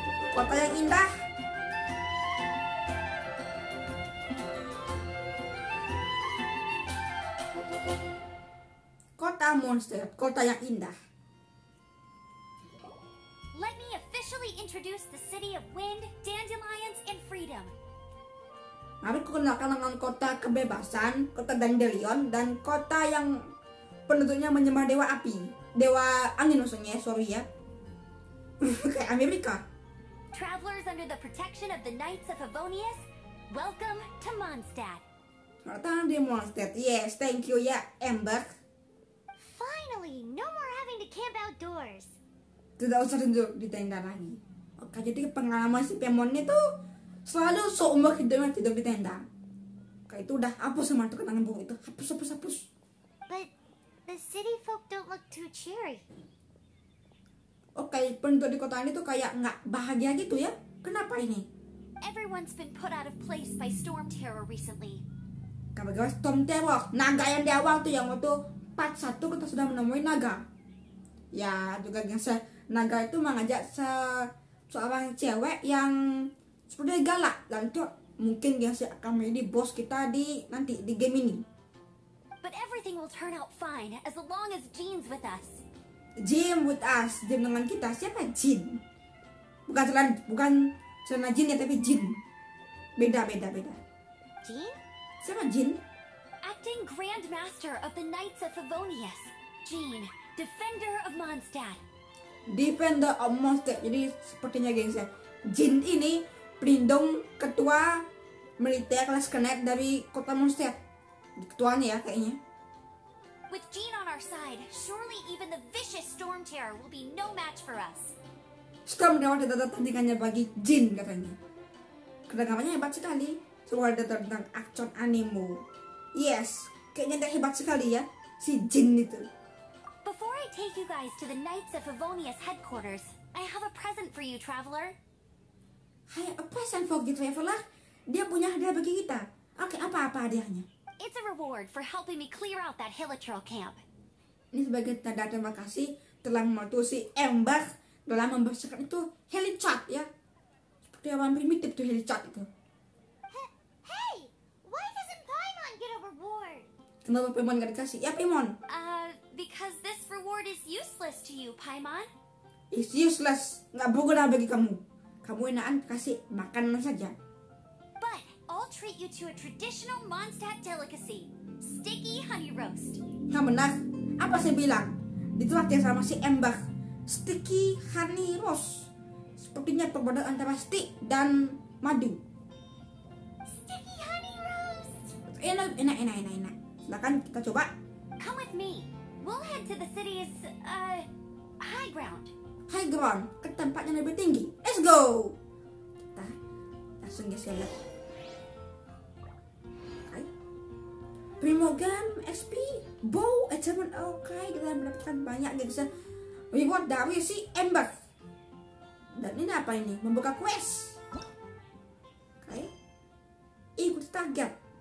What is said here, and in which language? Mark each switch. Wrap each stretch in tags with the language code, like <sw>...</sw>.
<id>Kota yang indah. Kota monster, kota yang indah.</id> <en>Let me officially introduce the city of wind, dandelions, and freedom.</en> <id>Mari kukenalkan dengan kota kebebasan, kota dandelion, dan kota yang penduduknya menyembah dewa api. Dewa angin maksudnya, sorry ya. Kayak Amerika.</id> <en>Travelers under the protection of the Knights of Favonius, welcome to Mondstadt.</en> <id>Selamat datang di Mondstadt.</id> <en>Yes, thank you</en> <id>ya, Amber.</id> <en>Finally, no more having to camp outdoors.</en> <id>Tidak usah duduk di tenda lagi. Oke, jadi pengalaman si Pemon itu selalu seumur hidupnya tidur di tenda. Oke, itu udah hapus sama itu kenangan buruk itu. Hapus.</id> <en>But the city folk don't look too cheery.</en> <id>Oke, penduduk di kota ini tuh kayak nggak bahagia gitu ya. Kenapa ini?</id> <en>Everyone's been put out of place by storm terror recently.</en> <id>Kenapa storm terror? Naga yang di awal tuh yang waktu 4-1 kita sudah menemui naga. Ya, juga yang naga itu mengajak seorang cewek yang sepertinya galak. Dan itu mungkin yang akan menjadi bos kita di nanti di game ini.</id> <en>But everything will turn out fine as long as Jean's with us. Jim with us,</en> <id>Jim dengan kita. Siapa Jin? Bukan celana Jin ya, tapi Jin. Beda. Jin? Siapa Jin?</id> <en>Acting Grand Master of the Knights of Favonius, Jin, Defender of Mondstadt. Defender of Mondstadt.</en> <id>Jadi sepertinya gengs ya, Jin ini pelindung ketua militer kelas kenet dari kota Mondstadt. Ketuanya ya kayaknya.</id> <en>With Jean on our side, surely even the vicious storm terror will be no match for us.</en> <id>Storm terror tidak ada tandingannya bagi Jean, katanya. Kedengarannya hebat sekali. Semua ada tentang action animo. Yes, kayaknya dia hebat sekali ya, si Jean itu.</id> <en>Before I take you guys to the Knights of Favonius headquarters, I have a present for you, traveler. Hai, a present for you, traveler?</en> <id>Dia punya hadiah bagi kita. Oke, apa hadiahnya?</id> <en>It's a reward for helping me clear out that Hilichurl camp.</en> <id>Ini sebagai tanda terima kasih telah membantu si Ember dalam membersihkan itu Hilichurl ya. Seperti orang primitif tuh Hilichurl itu.</id> <en>Hey, why doesn't Paimon get a reward?</en> <id>Kenapa Paimon gak dikasih? Ya Paimon.</id> <en>Because this reward is useless to you, Paimon. It's useless,</en> <id>nggak berguna bagi kamu. Kamu enakan kasih makanan saja.</id> <en>I'll treat you to a traditional Mondstadt delicacy, sticky honey roast.</en> <id>Nah benar, apa saya bilang? Ditulat yang sama si Ember,</id> <en>sticky honey roast.</en> <id>Sepertinya perbedaan antara stick dan madu.</id> <en>Sticky honey roast.</en> <id>Enak. Silakan kita coba.</id> <en>Come with me. We'll head to the city's high ground. High ground,</en> <id>ke tempat yang lebih tinggi.</id> <en>Let's go.</en> <id>Kita langsung geser. Primogem, XP, Bow, Achievement, okay, kita mendapatkan banyak gak bisa reward dari si Ember. Dan ini apa ini? Membuka quest. Okay. Ikut target.</id>